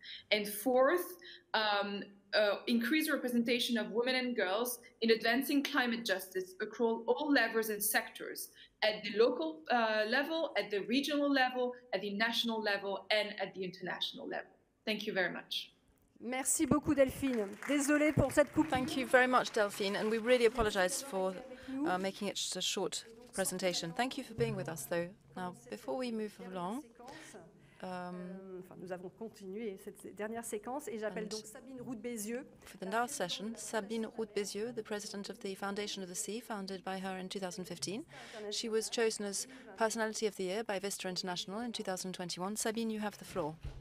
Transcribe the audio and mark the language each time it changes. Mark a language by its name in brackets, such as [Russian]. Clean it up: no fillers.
[English] And fourth, increase representation of women and girls in advancing climate justice across all levels and sectors, at the local level, at the regional level, at the national level, and at the international level. Thank you very much. [French] Merci beaucoup, Delphine. Désolée pour cette coupure. [English] Thank you very much, Delphine, and we really apologize for making it a short presentation. Thank you for being with us, though. Now, before we move along, [French] nous avons continué cette dernière séquence et j'appelle donc Sabine Route-Bézieux. [English] For the last session, Sabine Route-Bézieux, the president of the Foundation of the Sea, founded by her in 2015. She was chosen as Personality of the Year by Vista International in 2021. Sabine, you have the floor.